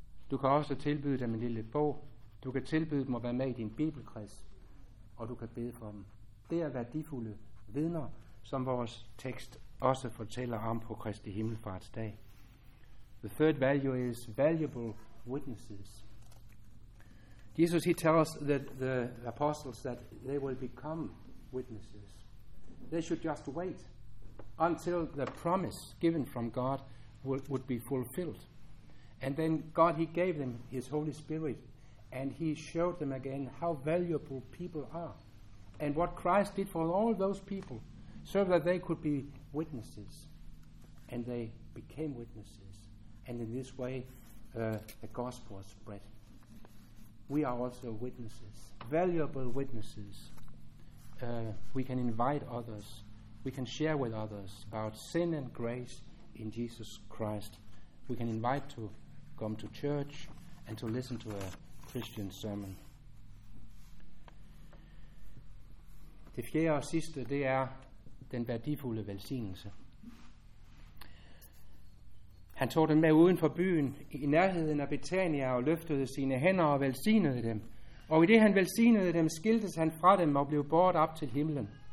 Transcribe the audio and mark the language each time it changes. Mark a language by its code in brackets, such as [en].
[da] Du kan også tilbyde dem en lille bog. Du kan tilbyde dem at være med i din bibelkreds, og du kan bede for dem. Det er værdifulde vidner, som vores tekst også fortæller om på Kristi Himmelfarts dag. [en] The third value is valuable witnesses. Jesus, he tells the apostles that they will become witnesses. They should just wait until the promise given from God would be fulfilled. And then God, he gave them his Holy Spirit, and he showed them again how valuable people are and what Christ did for all those people so that they could be witnesses. And they became witnesses. And in this way, the gospel was spread. We are also witnesses, valuable witnesses. We can invite others. We can share with others about sin and grace in Jesus Christ. We can invite to come to church and to listen to a Christian sermon. [da] Det fjerde og sidste, det er den værdifulde velsignelse. Han tog dem med uden for byen i nærheden af Betania og løftede sine hænder og velsignede dem. Og i det han velsignede dem, skiltes han fra dem og blev båret op til himlen.